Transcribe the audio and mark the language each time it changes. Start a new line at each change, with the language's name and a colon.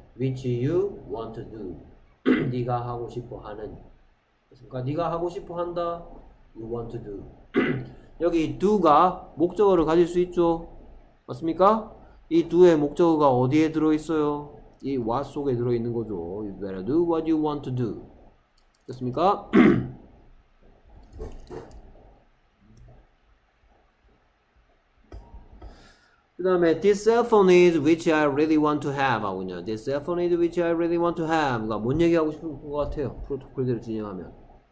English: Which you want to do.
Korean: 네가 하고 싶어 하는. 그러니까 네가 하고 싶어 한다.
English: You want to do.
Korean: 여기 do가 목적어를 가질 수 있죠. 맞습니까? 이 do의 목적어가 어디에 들어 있어요? 이 what 속에 들어 있는 거죠.
English: You better do what you want to do.
Korean: 됐습니까?
English: 그다음에 this cell phone is which I really want to have
Korean: 하고 있냐.
English: This cell phone is which I really want to have.
Korean: 그러니까 뭔 얘기 하고 싶은 것 같아요. 프로토콜대로 진행하면.